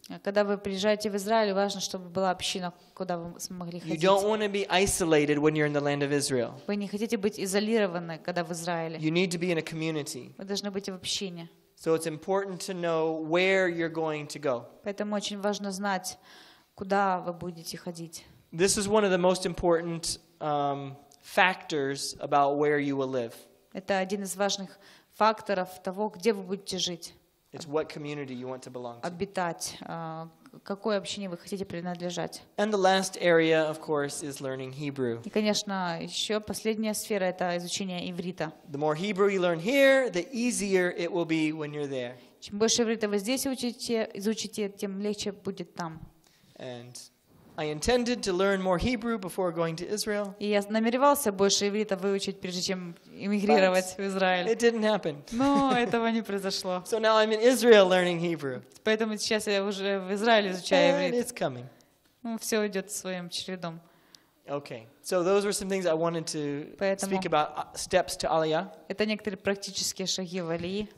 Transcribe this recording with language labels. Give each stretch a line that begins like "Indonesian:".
Russian: Когда вы приезжаете в Израиль, важно, чтобы была община, куда вы смогли ходить.
English: You don't want to be isolated when you're in the land of Israel.
Russian: Вы не хотите быть изолированы, когда в Израиле.
English: You need to be in a community.
Russian: Вы должны быть в общине.
English: So it's important to know where you're going to go.
Russian: Поэтому очень важно знать, куда вы будете ходить.
English: This is one of the most important factors about where you will live.
Russian: Это один из важных факторов того, где вы будете жить.
English: It's what community you want to belong to.
Russian: Обитать, какой общине вы хотите принадлежать.
English: And the last area, of course, is learning Hebrew.
Russian: И, конечно, еще последняя сфера это изучение иврита.
English: The more Hebrew you learn here, the easier it will be when you're there.
Russian: Чем больше иврита вы здесь учите, изучите, тем легче будет там.
English: And I intended to learn more Hebrew before going to Israel.
Russian: И я намеревался больше иврита выучить, прежде чем эмигрировать в Израиль.
English: It didn't happen.
Russian: Но этого не произошло.
English: So now I'm in Israel learning Hebrew.
Russian: Поэтому сейчас я уже в Израиле изучаю иврит.
English: It's coming.
Russian: Ну, все идет своим чередом.
English: Okay. So those were some things I wanted to speak about, steps to Aliyah.
Russian: Это некоторые практические шаги в Алии.